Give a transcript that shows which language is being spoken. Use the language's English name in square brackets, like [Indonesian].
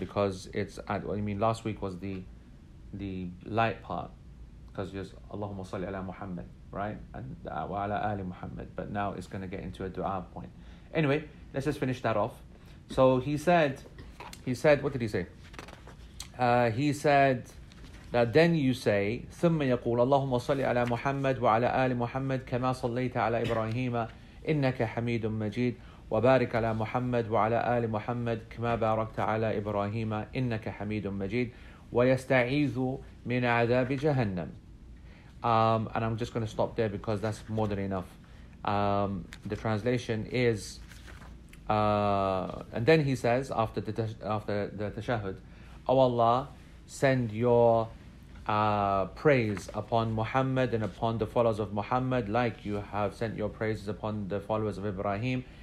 [English] Because it's, last week was the light part. Because there's Allahumma salli ala Muhammad, right? And wa ala ali Muhammad. But now it's going to get into a dua point. Anyway, let's just finish that off. So he said, what did he say? He said that then you say [Arabic] ثم يقول اللهم صل على محمد وعلى آل محمد كما صليت على إبراهيم إنك حميد مجيد وبارك على محمد وعلى آل محمد كما باركت على إبراهيم إنك حميد مجيد ويستعيذ من عذاب جهنم. [English] And I'm just going to stop there because that's more than enough. The translation is and then he says after the تشهد, O Allah, send your praise upon Muhammad and upon the followers of Muhammad, like you have sent your praises upon the followers of Ibrahim.